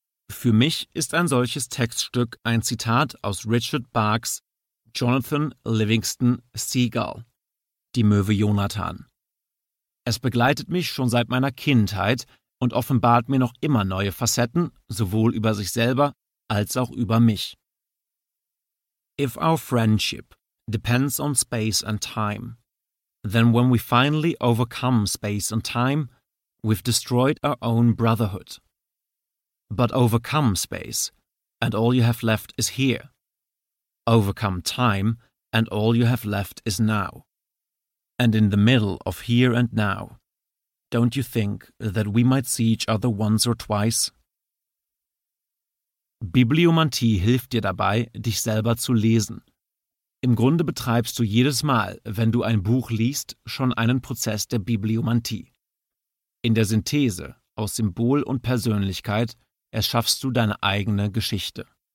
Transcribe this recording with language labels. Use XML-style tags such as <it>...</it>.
<de>Für mich ist ein solches Textstück ein Zitat aus Richard Bachs Jonathan Livingston Seagull, Die Möwe Jonathan. Es begleitet mich schon seit meiner Kindheit und offenbart mir noch immer neue Facetten, sowohl über sich selber als auch über mich.</de> <en>If our friendship depends on space and time, then when we finally overcome space and time, we've destroyed our own brotherhood. But overcome space, and all you have left is here. Overcome time, and all you have left is now. And in the middle of here and now, don't you think that we might see each other once or twice?</en> <de>Bibliomantie hilft dir dabei, dich selber zu lesen. Im Grunde betreibst du jedes Mal, wenn du ein Buch liest, schon einen Prozess der Bibliomantie. In der Synthese aus Symbol und Persönlichkeit erschaffst du deine eigene Geschichte.</de>